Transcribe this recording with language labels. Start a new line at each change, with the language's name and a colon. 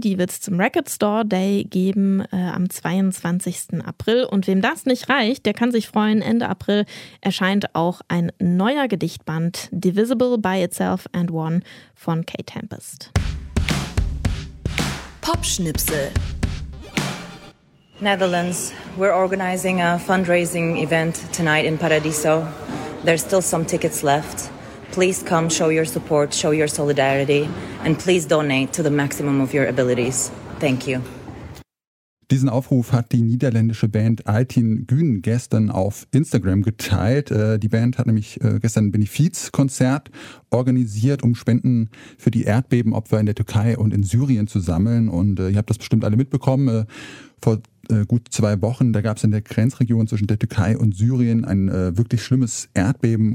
German: Die wird es zum Record Store Day geben am 22. April. Und wem das nicht reicht, der kann sich freuen. Ende April erscheint auch ein neuer Gedichtband, Divisible by Itself and One von Kate Tempest. Popschnipsel.
English: Netherlands, we're organizing a fundraising event tonight in Paradiso. There's still some tickets left. Please come, show your support, show your solidarity and please donate to the maximum of your abilities. Thank you.
German: Diesen Aufruf hat die niederländische Band Altin Gün gestern auf Instagram geteilt. Die Band hat nämlich gestern ein Benefizkonzert organisiert, um Spenden für die Erdbebenopfer in der Türkei und in Syrien zu sammeln. Und ihr habt das bestimmt alle mitbekommen. Vor gut zwei Wochen, da gab es in der Grenzregion zwischen der Türkei und Syrien ein wirklich schlimmes Erdbeben.